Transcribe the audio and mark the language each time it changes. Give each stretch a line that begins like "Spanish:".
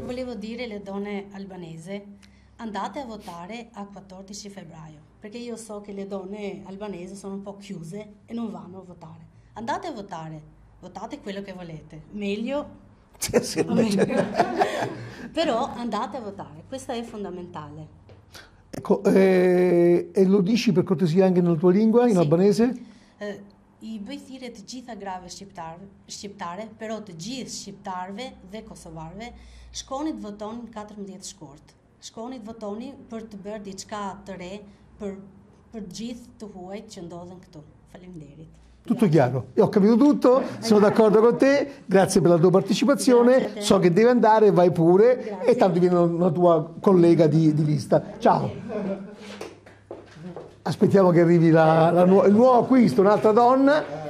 Italian: volevo dire alle donne albanese, andate a votare a 14 febbraio, perché io so che le donne albanese sono un po' chiuse e non vanno a votare. Andate a votare, votate quello che volete, meglio Sì, o meglio, invece. però andate a votare, questo è fondamentale. Ecco, e lo dici per cortesia anche nella tua lingua, in Sì, albanese?
Albanian: i bëj thirrje të gjitha grave shqiptare,
Italian: però
Albanian: të gjithë shqiptarve dhe kosovarve, shkoni të votoni në 14 shkurt. Shkoni të votoni për të bërë diçka të re për gjithë të huajt që ndodhen këtu. Faleminderit.
Italian: Tutto Grazie. chiaro, io ho capito tutto, sono d'accordo con te, grazie per la tua partecipazione, so che Grazie devi andare, vai pure, e tanto viene una tua collega di lista. Ciao. Aspettiamo che arrivi il nuovo acquisto, un'altra donna.